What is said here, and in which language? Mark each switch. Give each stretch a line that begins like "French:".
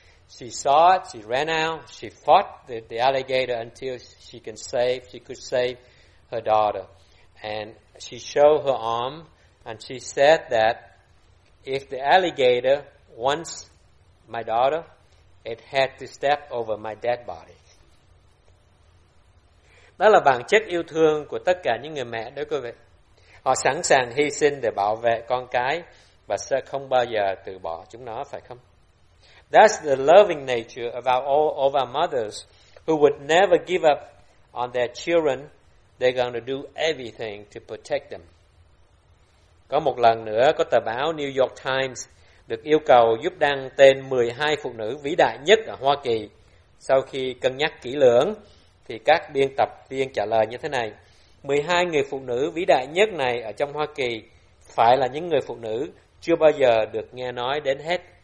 English: She saw it, she ran out, she fought the alligator until she could save her daughter. And she showed her arm and she said that if the alligator wants my daughter, it had to step over my dead body.
Vietnamese: Đó là bản chất yêu thương của tất cả những người mẹ đó quý vị. Họ sẵn sàng hy sinh để bảo vệ con cái và sẽ không bao giờ từ bỏ chúng nó, phải không?
English: That's the loving nature of our mothers who would never give up on their children. They're going to do everything to protect them.
Vietnamese: Có một lần nữa, có tờ báo New York Times được yêu cầu giúp đăng tên 12 phụ nữ vĩ đại nhất ở Hoa Kỳ. Sau khi cân nhắc kỹ lưỡng, thì các biên tập viên trả lời như thế này: 12 người phụ nữ vĩ đại nhất này ở trong Hoa Kỳ phải là những người phụ nữ chưa bao giờ được nghe nói đến hết.